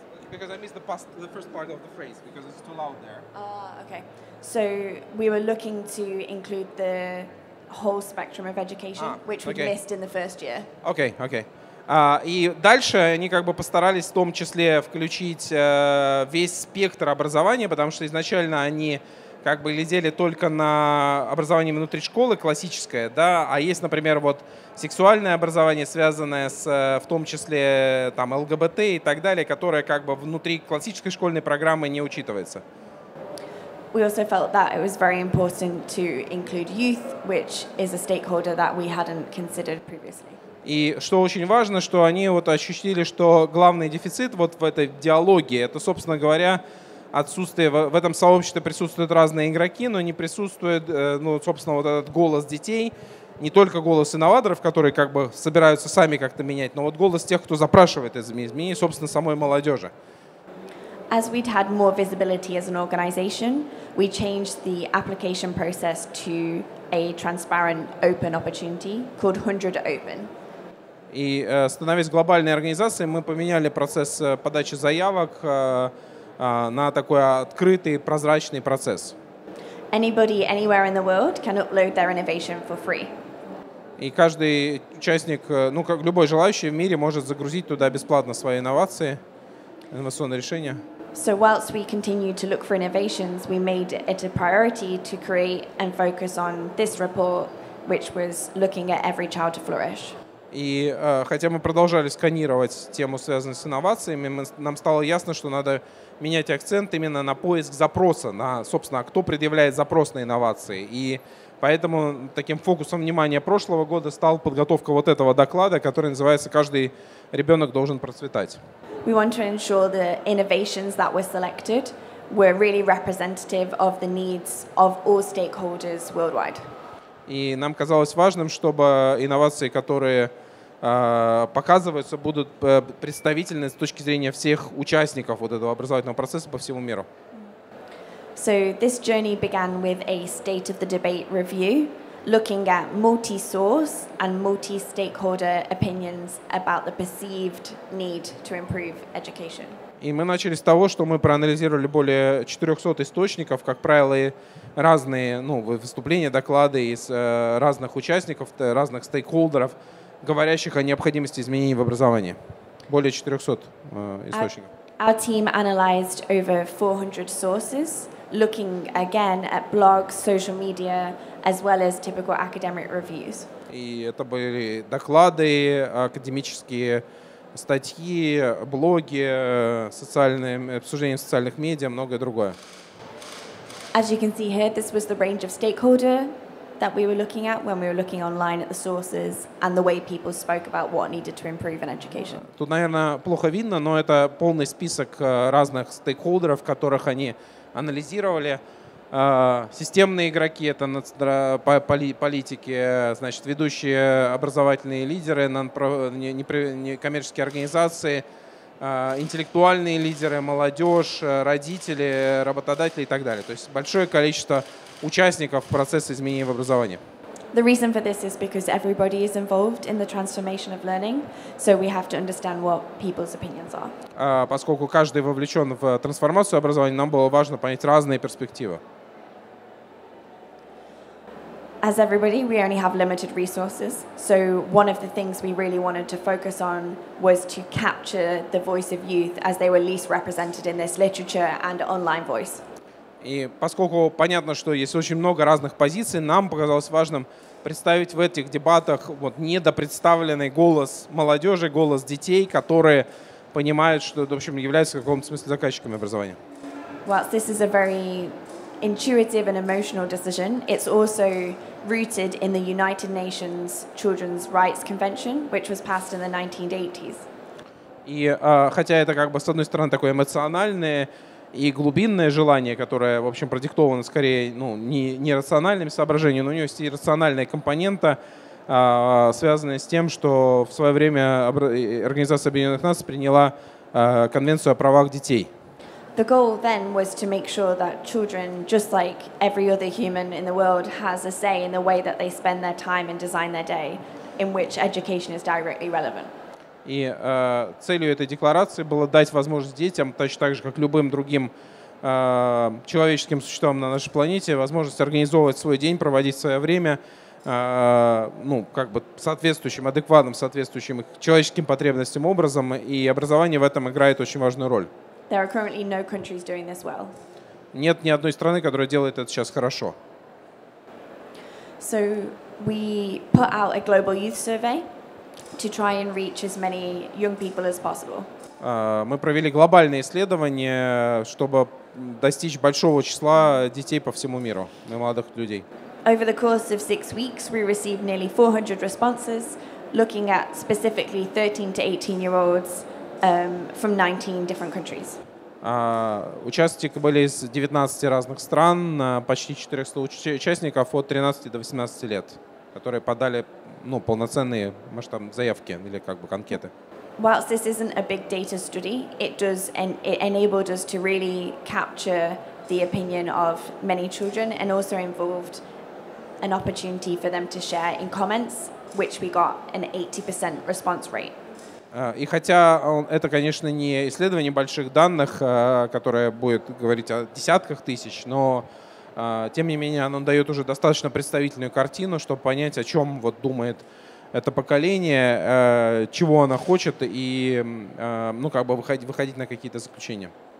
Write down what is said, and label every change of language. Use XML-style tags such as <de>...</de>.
<en>because I missed the first part of the phrase because it's too loud there. Okay. So we were looking to include the whole spectrum of education, which we missed in the first year. Okay.</en> <ru>И дальше они как бы постарались в том числе включить весь спектр образования, потому что изначально они как бы глядели только на образование внутри школы, классическое, да, а есть, например, вот сексуальное образование, связанное с, в том числе, там, ЛГБТ и так далее, которое как бы внутри классической школьной программы не учитывается.</ru> <en>We also felt that it was very important to include youth, which is a stakeholder that we hadn't considered previously.</en> <ru>И что очень важно, что они вот ощутили, что главный дефицит вот в этой диалоге, это, собственно говоря, отсутствие, в этом сообществе присутствуют разные игроки, но не присутствует, ну, собственно, вот этот голос детей, не только голос инноваторов, которые как бы собираются сами как-то менять, но вот голос тех, кто запрашивает изменения, собственно, самой молодежи.</ru> <en>As we'd had more visibility as an organization, we changed the application process to a transparent open opportunity called 100 Open.</en> <ru>И становясь глобальной организацией, мы поменяли процесс подачи заявок на такой открытый, прозрачный процесс.</ru> <en>Anybody anywhere in the world can upload their innovation for free.</en> <ru>И каждый участник, ну как любой желающий в мире, может загрузить туда бесплатно свои инновации, инновационные решения.</ru> <en>So whilst we continue to look for innovations, we made it a priority to create and focus on this report, which was looking at every child to flourish.</en> <ru>И хотя мы продолжали сканировать тему, связанную с инновациями, нам стало ясно, что надо менять акцент именно на поиск запроса, на, собственно, кто предъявляет запрос на инновации. И поэтому таким фокусом внимания прошлого года стала подготовка вот этого доклада, который называется «Каждый ребенок должен процветать».</ru> <en>We want to ensure the innovations that were selected were really representative of the needs of all stakeholders worldwide.</en> <ru>И нам казалось важным, чтобы инновации, которые показываются, будут представительны с точки зрения всех участников вот этого образовательного процесса по всему миру.</ru> <en>So this journey began with a state of the debate review, looking at multi-source and multi-stakeholder opinions about the perceived need to improve education.</en> <ru>И мы начали с того, что мы проанализировали более 400 источников, как правило, разные, ну, выступления, доклады из разных участников, разных стейкхолдеров, говорящих о необходимости изменений в образовании. Более 400 источников.</ru> <en>Our team analyzed over 400 sources, looking again at blogs, social media, as well as typical academic reviews.</en> <ru>И это были доклады, академические статьи, блоги, социальные обсуждения в социальных медиа, многое другое.</ru> <en>As you can see here, this was the range of stakeholder that we were looking at when we were looking online at the sources and the way people spoke about what needed to improve in education.</en> <ru>Тут, наверное, плохо видно, но это полный список разных стейкхолдеров, которых они анализировали. Системные игроки — это политики, значит, ведущие образовательные лидеры, некоммерческие организации, интеллектуальные лидеры, молодежь, родители, работодатели и так далее. То есть большое количество участников процесса изменений в образовании.</ru> <en>The reason for this is because everybody is involved in the transformation of learning, so we have to understand what people's opinions are.</en> <ru>Поскольку каждый вовлечен в трансформацию образования, нам было важно понять разные перспективы.</ru> <en>As everybody, we only have limited resources, so one of the things we really wanted to focus on was to capture the voice of youth as they were least represented in this literature and online voice.</en> <ru>И поскольку понятно, что есть очень много разных позиций, нам показалось важным представить в этих дебатах вот недопредставленный голос молодежи, голос детей, которые понимают, что, в общем, являются в каком-то смысле заказчиками образования.</ru> <en>Well, this is a very intuitive and emotional decision. It's also rooted in the United Nations Children's Rights Convention, which was passed in the 1980s.</en> <ru>И хотя это как бы с одной стороны такое эмоциональное и глубинное желание, которое, в общем, продиктовано скорее, ну, не рациональными соображениями, но у него есть и рациональная компонента, связанная с тем, что в свое время Организация Объединенных Наций приняла Конвенцию о правах детей.</ru> <en>The goal then was to make sure that children, just like every other human in the world, has a say in the way that they spend their time and design their day, in which education is directly relevant.</en> <ru>И целью этой декларации было дать возможность детям, точно так же, как любым другим человеческим существам на нашей планете, возможность организовывать свой день, проводить свое время, ну, как бы соответствующим, адекватным, соответствующим их человеческим потребностям образом, и образование в этом играет очень важную роль.</ru> <en>There are currently no countries doing this well.</en> <ru>Нет ни одной страны, которая делает это сейчас хорошо.</ru> <en>So we put out a global youth survey to try and reach as many young people as possible.</en> <ru>Мы провели глобальное исследование, чтобы достичь большого числа детей по всему миру, молодых людей.</ru> <en>Over the course of 6 weeks, we received nearly 400 responses, looking at specifically 13 to 18 year olds. From 19 different countries.</en> <ru>Участники были из 19 разных стран, почти 400 участников от 13 до 18 лет, которые подали, ну, полноценные, может, там, заявки или как бы анкеты.</ru> <en>Whilst this isn't a big data study, it enabled us to really capture the opinion of many children and also involved an opportunity for them to share in comments which we got an 80% response rate.</en> <ru>И хотя это, конечно, не исследование больших данных, которое будет говорить о десятках тысяч, но тем не менее оно дает уже достаточно представительную картину, чтобы понять, о чем вот думает это поколение, чего оно хочет и, ну, как бы выходить на какие-то заключения.</ru>